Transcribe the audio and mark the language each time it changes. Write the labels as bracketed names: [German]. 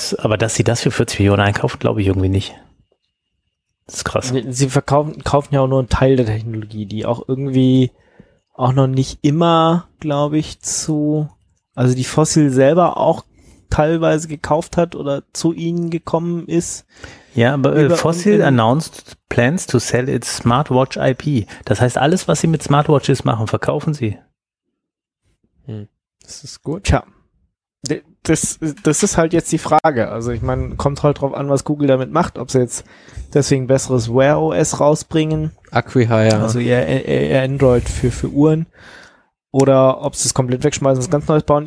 [German] Aber dass sie das für 40 Millionen einkaufen, glaube ich irgendwie nicht. Das ist krass. Sie kaufen ja auch nur einen Teil der Technologie, die auch irgendwie auch noch nicht immer, glaube ich, zu, also die Fossil selber auch teilweise gekauft hat oder zu ihnen gekommen ist. [English] Ja, aber Fossil announced plans to sell its smartwatch IP. [German] Das heißt, alles, was sie mit Smartwatches machen, verkaufen sie. Das ist gut. Tja, das ist halt jetzt die Frage. Also ich meine, kommt halt drauf an, was Google damit macht, ob sie jetzt deswegen besseres Wear OS rausbringen. Acquihire. Also ihr Android für Uhren. Oder ob sie es komplett wegschmeißen und was ganz Neues bauen.